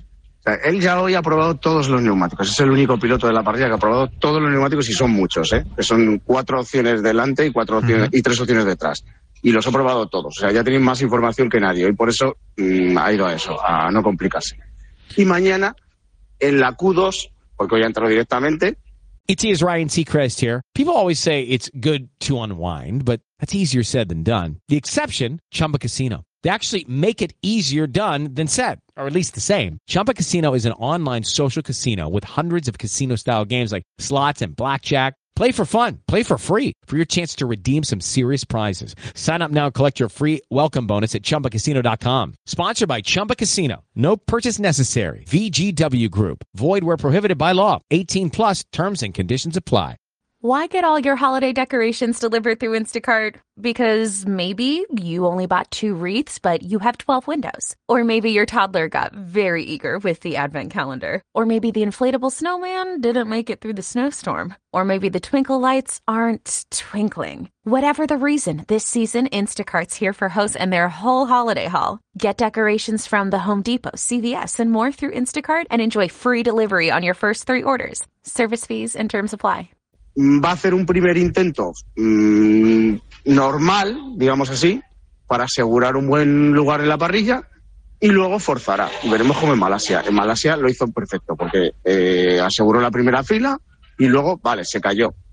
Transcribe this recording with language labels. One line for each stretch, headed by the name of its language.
Spanish: O sea, él ya hoy ha probado todos los neumáticos. Es el único piloto de la parrilla que ha probado todos los neumáticos y son muchos, ¿eh? Que son cuatro opciones delante y cuatro opciones, y tres opciones detrás. Y los ha probado todos. O sea, ya tienen más información que nadie. Y por eso ha ido a eso, a no complicarse. Y mañana, en la Q2, porque hoy ha entrado directamente.
English: It is Ryan Seacrest here. People always say it's good to unwind, but that's easier said than done. The exception, Chumba Casino. They actually make it easier done than said, or at least the same. Chumba Casino is an online social casino with hundreds of casino-style games like slots and blackjack. Play for fun. Play for free for your chance to redeem some serious prizes. Sign up now and collect your free welcome bonus at chumbacasino.com. Sponsored by Chumba Casino. No purchase necessary. VGW Group. Void where prohibited by law. 18 plus terms and conditions apply. Why get all your holiday decorations delivered through Instacart? Because maybe you only bought two wreaths, but you have 12 windows. Or maybe your toddler got very eager with the advent calendar. Or maybe the inflatable snowman didn't make it through the snowstorm. Or maybe the twinkle lights aren't twinkling. Whatever the reason, this season, Instacart's here for hosts and their whole holiday haul. Get decorations from the Home Depot, CVS, and more through Instacart and enjoy free delivery on your first three orders. Service fees and terms apply.
Spanish: Va a hacer un primer intento normal, digamos así, para asegurar un buen lugar en la parrilla y luego forzará. Veremos cómo en Malasia. En Malasia lo hizo perfecto porque aseguró la primera fila y luego, vale, se cayó.